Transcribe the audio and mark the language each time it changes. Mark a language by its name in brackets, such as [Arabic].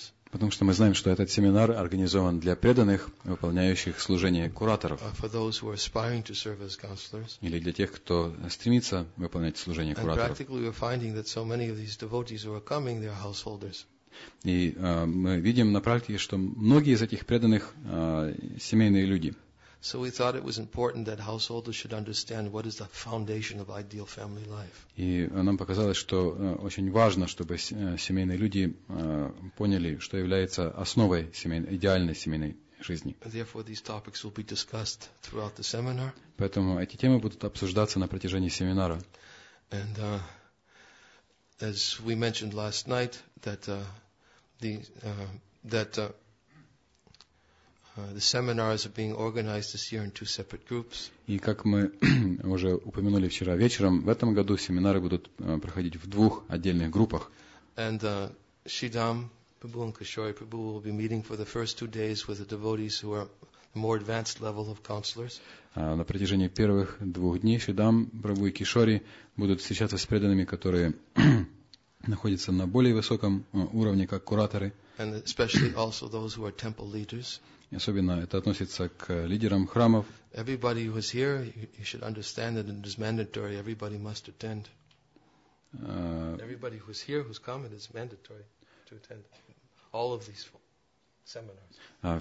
[Russian] Потому что мы знаем, что этот семинар организован для преданных, выполняющих служение кураторов. Или для тех, кто стремится выполнять служение кураторов. [English] And practically we're finding that so many of these devotees who are coming, they're householders. [Russian] И мы видим на практике, что многие из этих преданных семейные люди. [English] So we thought it was important that householders should understand what is the foundation of ideal family life. [Russian] И нам показалось, что очень важно, чтобы семейные люди поняли, что является основой идеальной семейной жизни. [English] Therefore, these topics will be discussed throughout the seminar. [Russian] Поэтому эти темы будут обсуждаться на протяжении семинара. [English] And as we mentioned last night, that the seminars are being organized this year in 2 separate groups. [Russian] И как мы уже упомянули вчера вечером, в этом году семинары будут проходить в 2 отдельных группах. [English] And Shidam Prabhu and Kishori Prabhu will be meeting for the first 2 days with the devotees who are more advanced level of counselors. [Russian] На протяжении первых 2 дней Шидам Прабху и Кишори будут встречаться с преданными, которые находятся на более высоком уровне, как кураторы. [English] And especially also those who are temple leaders. [Russian] Особенно это относится к лидерам храмов. [English] Everybody who is here, you should understand that it is mandatory. Everybody must attend. Everybody who is here, who's come, it is mandatory to attend all of these seminars.